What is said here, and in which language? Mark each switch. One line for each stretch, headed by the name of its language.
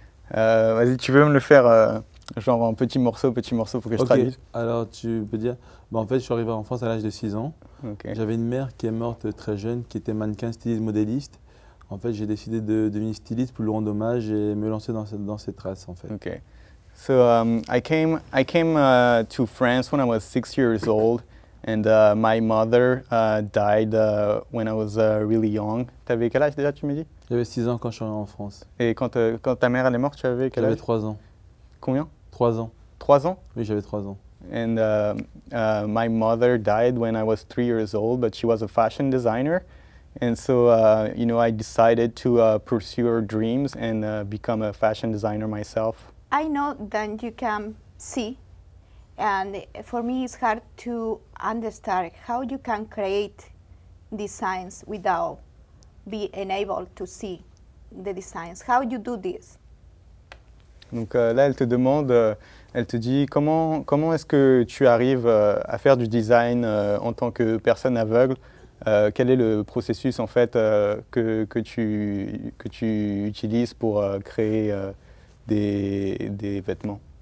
French: Vas-y, tu veux me le faire genre en petit morceau pour que je traduise. Alors tu peux dire, en fait, je suis arrivé en France à l'âge de 6 ans. Okay. J'avais une mère qui est morte très jeune, qui était mannequin, styliste, modéliste. En fait, j'ai décidé de devenir styliste pour lui rendre hommage et me lancer dans cette trace, en fait. Okay.
English: So I came to France when I was 6 years old, and my mother died when I was really young.
French: Tu avais quel âge déjà, tu me dis? J'avais 6 ans quand je suis arrivé en France. Et quand ta mère elle est morte, tu avais quel âge? J'avais 3 ans. Combien? 3 ans. 3 ans? Oui, j'avais 3 ans.
English: And my mother died when I was 3 years old, but she was a fashion designer. And so, I decided to pursue her dreams and become a fashion designer myself. I know that you can see, and for me it's hard to understand how you can create designs without being able to see the designs. How do you do this?
French: Donc là, elle te demande, elle te dit, comment est-ce que tu arrives à faire du design en tant que personne aveugle? Quel est le processus en fait que tu utilises pour créer des vêtements?